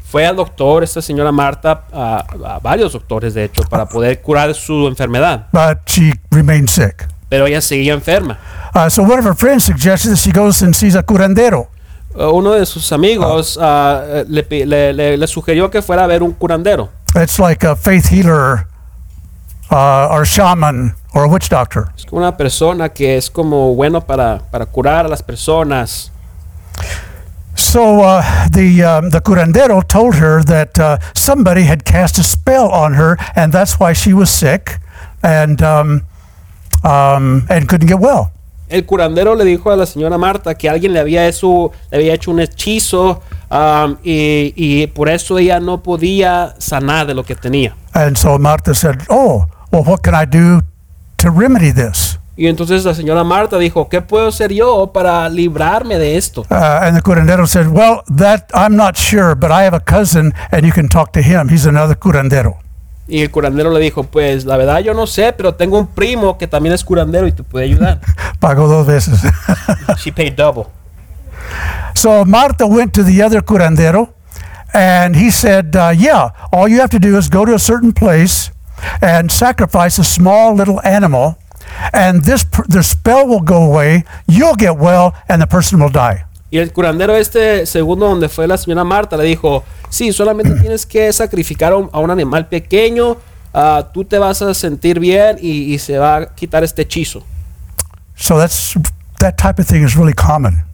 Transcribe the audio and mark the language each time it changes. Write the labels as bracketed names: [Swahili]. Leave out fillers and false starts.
[Spanish] Fue al doctor esta señora Marta, a varios doctores de hecho, para poder curar su enfermedad. [English] But she remained sick. [Spanish] Pero ella seguía enferma. [English] So one of her friends suggested that she goes and sees a curandero. [Spanish] Uno de sus amigos le sugirió que fuera a ver un curandero. [English] It's like a faith healer, or shaman. Or a witch doctor. [Spanish] Es una persona que es como bueno para curar a las personas. [English] So the curandero told her that somebody had cast a spell on her, and that's why she was sick and couldn't get well. [Spanish] El curandero le dijo a la señora Marta que alguien le había hecho un hechizo y por eso ella no podía sanar de lo que tenía. [English] And so Martha said, "Oh, well, what can I do to remedy this?" [Spanish] Y entonces la señora Marta dijo, ¿qué puedo hacer yo para librarme de esto? [English] And the curandero said, "Well, that I'm not sure, but I have a cousin and you can talk to him. He's another curandero." [Spanish] Y el curandero le dijo, "Pues la verdad yo no sé, pero tengo un primo que también es curandero y te puede ayudar." Pagó dos veces. [English] She paid double. So Martha went to the other curandero and he said, "Yeah, all you have to do is go to a certain place and sacrifice a small little animal, and this the spell will go away, you'll get well, and the person will die." [Spanish] Y el curandero este segundo donde fue la señora Marta le dijo, "Sí, solamente tienes que sacrificar a un animal pequeño, tú te vas a sentir bien y se va a quitar este hechizo." [English] So that's that type of thing is really common.